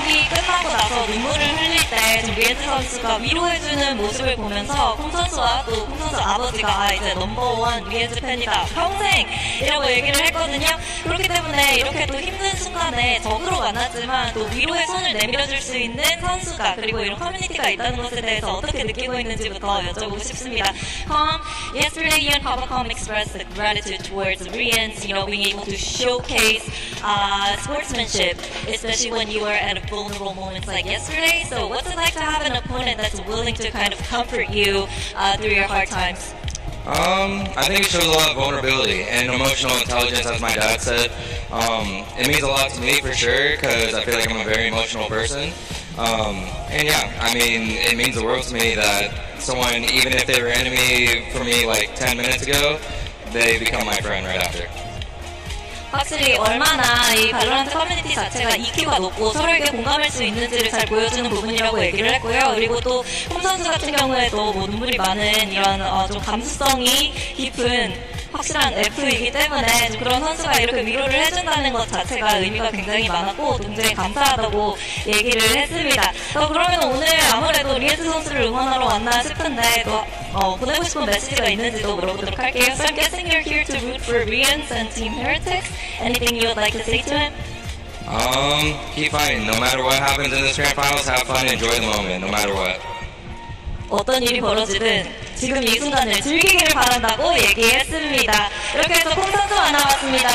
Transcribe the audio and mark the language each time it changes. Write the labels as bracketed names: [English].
[Korean] 끝나고 나서 눈물을 흘릴 때 위에 선수가 위로해주는 모습을 보면서 콩 선수와 또 콩 선수 아버지가 이제 넘버원 위에즈 팬이다 평생 이라고 얘기를 했거든요. 그렇기 때문에 이렇게 또 힘든 순간에 적으로 만났지만 또 위로의 손을 내밀어줄 수 있는 선수가 그리고 이런 커뮤니티가 있다는 것에 대해서 어떻게 느끼고 있는지부터 여쭤보고 싶습니다. [English] Yesterday, you and Papa Com expressed gratitude towards Rian's, you know, being able to showcase sportsmanship, especially when you were at a vulnerable moments like yesterday. So what's it like to have an opponent that's willing to kind of comfort you through your hard times? I think it shows a lot of vulnerability and emotional intelligence, as my dad said. It means a lot to me for sure, because I feel like I'm a very emotional person. And yeah, I mean, it means the world to me that someone, even if they were an enemy for me like 10 minutes ago, they become my friend right after. [Korean] 확실히 얼마나 이 발로란트 커뮤니티 자체가 EQ가 높고 서로에게 공감할 수 있는지를 잘 보여주는 부분이라고 얘기를 했고요. 그리고 또 홈 선수 같은 경우에도 뭐 눈물이 많은 이런 좀 감수성이 깊은 확실한 F이기 때문에 그런 선수가 이렇게 위로를 해준다는 것 자체가 의미가 굉장히 많았고 굉장히 감사하다고 얘기를 했습니다. 그러면 오늘 아무래도 리에즈 선수를 응원하러 왔나 싶은데 또 보내고 싶은 메시지가 있는지도 물어보도록 할게요. [English] So I'm guessing you're here to root for Rians and Team Heretics. Anything you would like to say to him? Keep fighting. No matter what happens in this Grand Finals, have fun and enjoy the moment, no matter what. [Korean] 어떤 일이 벌어지든 지금 이 순간을 즐기기를 바란다고 얘기했습니다. 이렇게 해서 콩 선수가 나왔습니다.